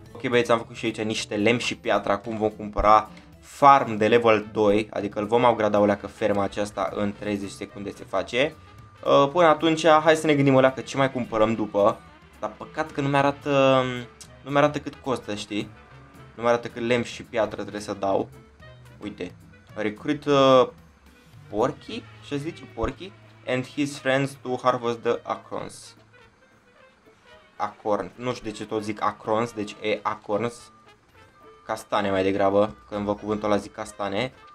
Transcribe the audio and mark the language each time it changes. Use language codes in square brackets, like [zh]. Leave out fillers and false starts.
[ro] Ok, băieți, am făcut și aici niște lemn și piatra, acum vom cumpăra farm de level 2, adică îl vom upgrada o leacă ferma aceasta în 30 secunde se face. Până atunci, hai să ne gândim o leacă ce mai cumpărăm după, dar păcat că nu mi-arată cât costă, știi? Nu mi-arată cât lemn și piatra trebuie să dau. [en] Uite, recruit porchi, [ro] ce zice [en] porchi, and his friends to harvest the acorns. [ro] Acorn, nu știu de ce tot zic acorns, deci e acorns, castane mai degrabă, când văd cuvântul ăla zic castane.